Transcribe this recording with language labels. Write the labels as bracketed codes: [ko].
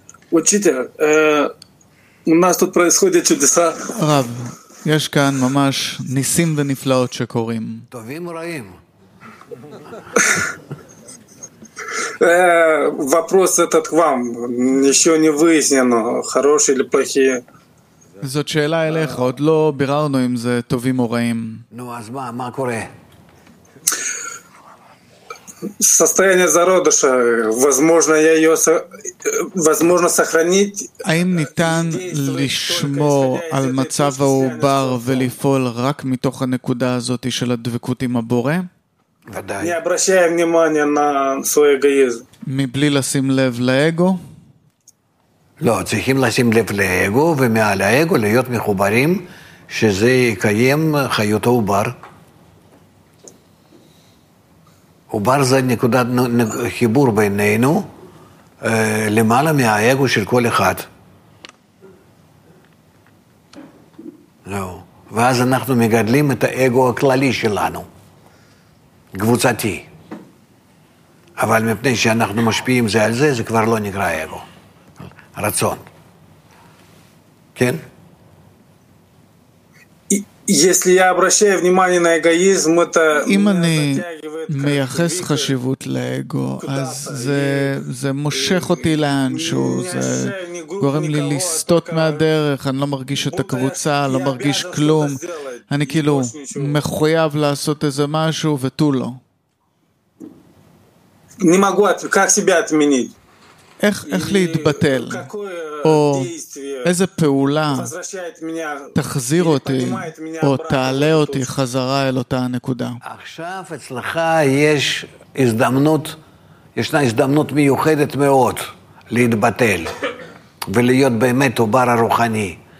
[ru] Учитель, у нас тут происходят чудеса. Рав. [he] יש כאן ממש ניסים ונפלאות שקורים. טובים רעים. [ru] Вопрос этот к вам. Еще не выяснено, хорошие или плохие. [he] זאת שאלה אליך, עוד לא ביררנו אם זה טובים או רעים. נו, אז מה קורה? [ru] Состояние зародыша, возможно, я её возможно сохранить. [he] האם ניתן לשמור על מצב העובר ולפעול רק מתוך הנקודה הזאת של הדבקות עם הבורא? ודאי. [ru] Не обращая внимания на свой эгоизм. [he] מבלי לשים לב לאגו? לא, צריכים לשים לב לאגו ומעל האגו להיות מחוברים שזה יקיים חיות העובר. עובר זה נקודת חיבור בינינו, למעלה מהאגו של כל אחד. לא. ואז אנחנו מגדלים את האגו הכללי שלנו, קבוצתי. אבל מפני שאנחנו משפיעים זה על זה, זה כבר לא נקרא אגו. רצון. כן? [ru] Если я обращаю внимание на эгоизм, это [he] אם אני מייחס חשיבות לאגו, אז זה מושך אותי לאנשהו, זה גורם לי לסטות מהדרך, אני לא מרגיש את הקבוצה, לא מרגיש כלום, אני כאילו מחויב לעשות איזה משהו ותו לא. [ru] не могу как себя отменить. [he] איך להתבטל? או איזה פעולה תחזיר אותי או תעלה אותי חזרה אל אותה הנקודה. עכשיו אצלך יש הזדמנות, ישנה הזדמנות מיוחדת מאוד להתבטל ולהיות באמת עובר הרוחני.